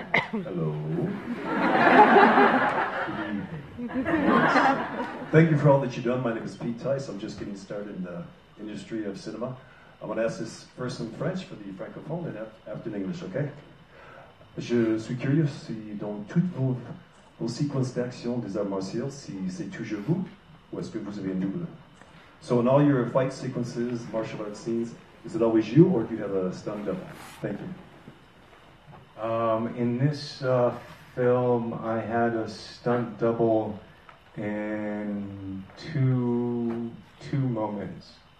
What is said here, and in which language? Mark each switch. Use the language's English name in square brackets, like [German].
[English] Hello. Thank you for all that you've done. My name is Pete Tice. I'm just getting started in the industry of cinema. I'm going to ask this first in French for the francophone and after in English, okay? [French] Je suis curieux si dans toutes vos sequences d'action des arts martiaux, si c'est toujours vous, ou est-ce que vous avez un double? [English] So in all your fight sequences, martial arts scenes, is it always you or do you have a stunt double? Thank you. In this film, I had a stunt double in two moments.